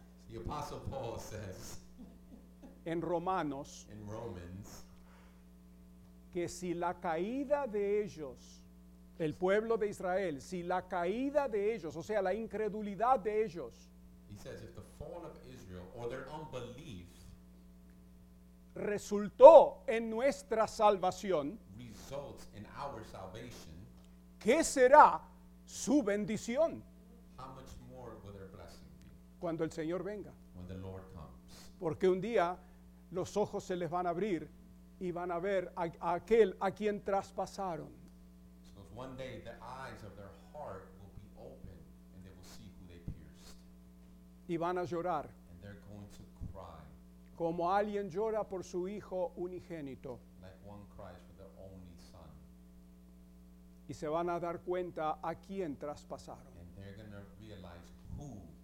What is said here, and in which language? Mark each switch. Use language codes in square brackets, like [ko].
[en] The apostle Paul says, [es] en Romanos, [en] in Romans, [es] que si la caída de ellos, el pueblo de Israel, si la caída de ellos, o sea, la incredulidad de ellos, [en] he says if the fall of Israel or their unbelief [es] resultó en nuestra salvación, [en] results in our salvation, [es] ¿qué será su bendición? [en] How much more will their blessing be? [es] Cuando el Señor venga. [en] When the Lord comes. [es] Porque un día los ojos se les van a abrir y van a ver a aquel a quien traspasaron. [en] Because one day the eyes of their heart will be open and they will see who they pierced. [es] Y van a llorar. [en] And they're going to cry. [es] Como alguien llora por su hijo unigénito. [en] Like one cries for their only son. [es] Y se van a dar cuenta a quien traspasaron. [en] And they're going to realize who.